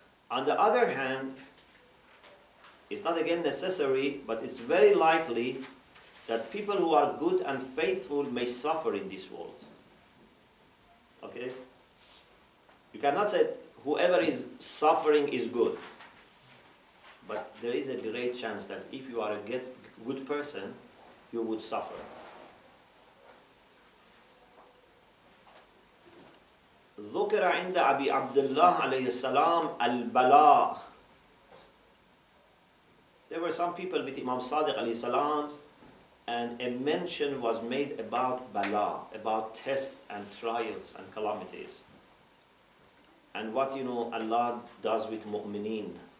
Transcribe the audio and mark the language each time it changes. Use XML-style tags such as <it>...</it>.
<en>On the other hand, it's not again necessary, but it's very likely that people who are good and faithful may suffer in this world. Okay? You cannot say whoever is suffering is good. But there is a great chance that if you are a good person, you would suffer.</en> <ar>ذكر عند أبي عبد الله عليه السلام البلاء.</ar> <en>There were some people with Imam Sadiq عليه السلام, and a mention was made about bala, about tests and trials and calamities, and what, you know, Allah does with mu'mineen.</en>